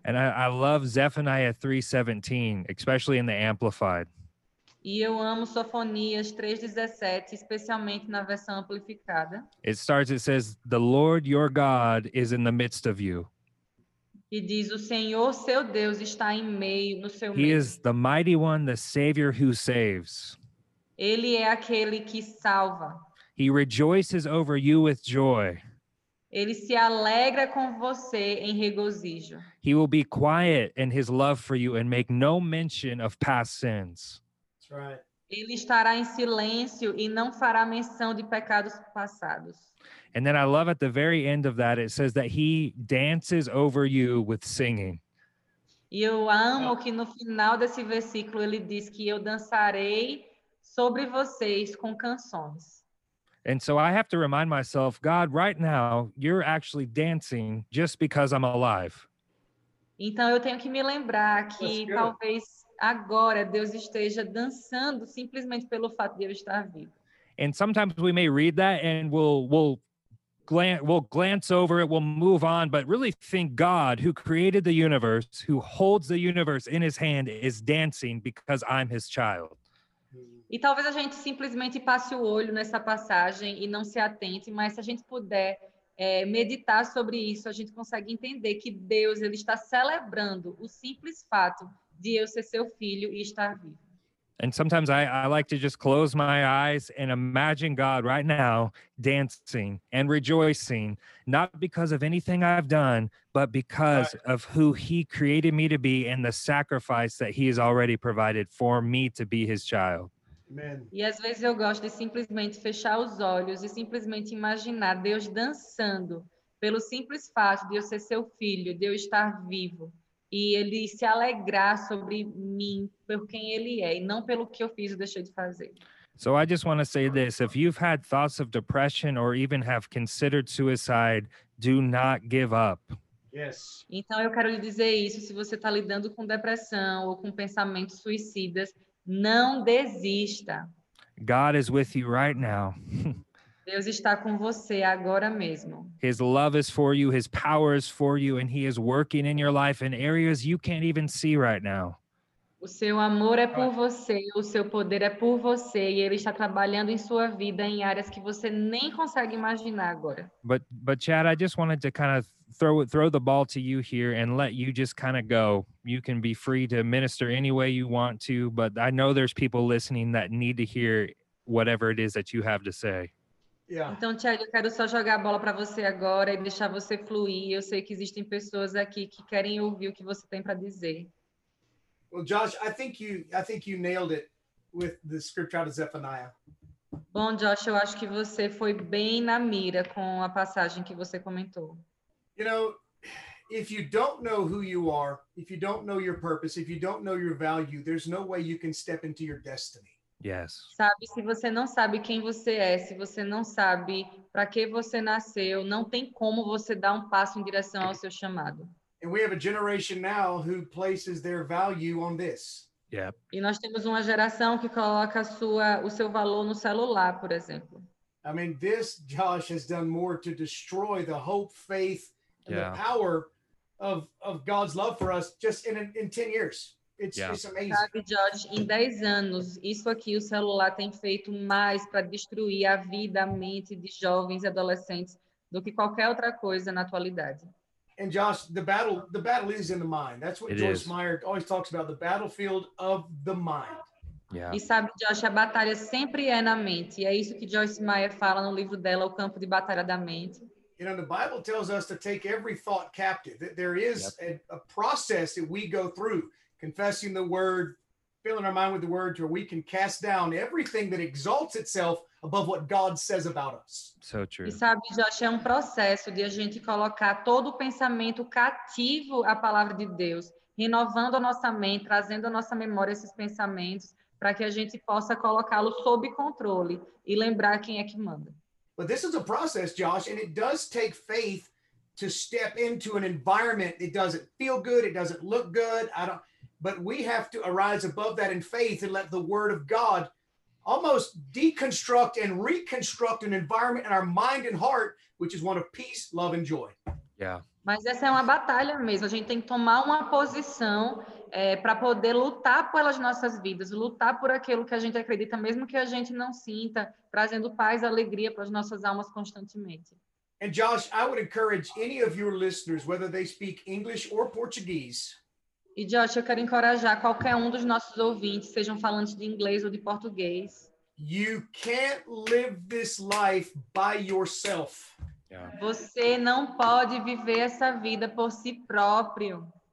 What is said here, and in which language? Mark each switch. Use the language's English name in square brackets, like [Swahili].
[English] And I love Zephaniah 3:17, especially in the Amplified. [Portuguese] E eu amo Sofonias 3:17, especialmente na versão amplificada. [English] It starts, it says, the Lord your God is in the midst of you. [Portuguese] E diz, o Senhor seu Deus está em meio, no seu [English] He [Portuguese] meio. [English] He is the mighty one, the Savior who saves. [Portuguese] Ele é aquele que salva. [English] He rejoices over you with joy. [Portuguese] Ele se alegra com você em regozijo. [English] He will be quiet in his love for you and make no mention of past sins. Right. [Portuguese] Ele estará em silêncio e não fará menção de pecados passados. [English] And then I love at the very end of that, it says that he dances over you with singing. [Portuguese] E eu amo que no final desse versículo ele diz que eu dançarei sobre vocês com canções. [English] And so I have to remind myself, God, right now, you're actually dancing just because I'm alive. [Portuguese] Então eu tenho que me lembrar que talvez... Agora, Deus esteja dançando simplesmente pelo fato de eu estar vivo. [English] And sometimes we may read that and we'll glance over it, we'll move on, but really think God, who created the universe, who holds the universe in his hand, is dancing because I'm his child. [Portuguese] E talvez a gente simplesmente passe o olho nessa passagem e não se atente, mas se a gente puder meditar sobre isso, a gente consegue entender que Deus, ele está celebrando o simples fato de eu ser seu filho e estar vivo. [English] And sometimes I like to just close my eyes and imagine God right now dancing and rejoicing, not because of anything I've done, but because of who he created me to be and the sacrifice that he has already provided for me to be his child. Amen. [Portuguese] E às vezes eu gosto de simplesmente fechar os olhos e simplesmente imaginar Deus dançando pelo simples fato de eu ser seu filho, de eu estar vivo. E ele se alegrar sobre mim, por quem ele é, e não pelo que eu fiz ou deixei de fazer. [English] So I just want to say this, if you've had thoughts of depression or even have considered suicide, do not give up. Yes. [Portuguese] Então eu quero lhe dizer isso, se você está lidando com depressão ou com pensamentos suicidas, não desista. [English] God is with you right now. [Portuguese] Deus está com você agora mesmo. [English] His love is for you, his power is for you, and he is working in your life in areas you can't even see right now. [Portuguese] O seu amor é por você, o seu poder é por você, e ele está trabalhando em sua vida em áreas que você nem consegue imaginar agora. [English] But Chad, I just wanted to kind of throw the ball to you here and let you just kind of go. You can be free to minister any way you want to, but I know there's people listening that need to hear whatever it is that you have to say. Yeah. [Portuguese] Então, Thiago, eu quero só jogar a bola para você agora e deixar você fluir. Eu sei que existem pessoas aqui que querem ouvir o que você tem para dizer. [English] Well, Josh, I think you nailed it with the scripture out of Zephaniah. [Portuguese] Bom, Josh, eu acho que você foi bem na mira com a passagem que você comentou. [English] You know, if you don't know who you are, if you don't know your purpose, if you don't know your value, there's no way you can step into your destiny. Yes. [Portuguese] Sabe, se você não sabe quem você é, se você não sabe para que você nasceu, não tem como você dar um passo em direção ao seu chamado. [English] And we have a generation now who places their value on this. Yep. [Portuguese] E nós temos uma geração que coloca o seu valor no celular, por exemplo. [English] I mean, this, Josh, has done more to destroy the hope, faith, and the power of God's love for us just in 10 years. It's amazing. [Portuguese] Sabe, Josh, em 10 anos, isso aqui, o celular, tem feito mais para destruir a vida, a mente de jovens e adolescentes do que qualquer outra coisa na atualidade. [English] And Josh, the battle is in the mind. That's what Joyce Meyer always talks about, the battlefield of the mind. Yeah. [Portuguese] E sabe, Josh, a batalha sempre é na mente. E é isso que Joyce Meyer fala no livro dela, O Campo de Batalha da Mente. [English] You know, the Bible tells us to take every thought captive. That there is a process that we go through, confessing the word, filling our mind with the word, where we can cast down everything that exalts itself above what God says about us. So true. [Portuguese] E sabe, Josh, é um processo de a gente colocar todo o pensamento cativo à palavra de Deus, renovando a nossa mente, trazendo à nossa memória esses pensamentos, para que a gente possa colocá-lo sob controle e lembrar quem é que manda. [English] But this is a process, Josh, and it does take faith to step into an environment. It doesn't feel good, it doesn't look good, but we have to arise above that in faith and let the word of God almost deconstruct and reconstruct an environment in our mind and heart, which is one of peace, love, and joy. Yeah. [Portuguese] Mas essa é uma batalha mesmo. A gente tem que tomar uma posição para poder lutar pelas nossas vidas, lutar por aquilo que a gente acredita, mesmo que a gente não sinta, trazendo paz e alegria para as nossas almas constantemente. [English] And Josh, I would encourage any of your listeners, whether they speak English or Portuguese, [Portuguese] e, Josh, eu quero encorajar qualquer um dos nossos ouvintes, sejam falantes de inglês ou de português. [English] You can't live this life by yourself. Yeah. [Portuguese] Você não pode viver essa vida por si próprio.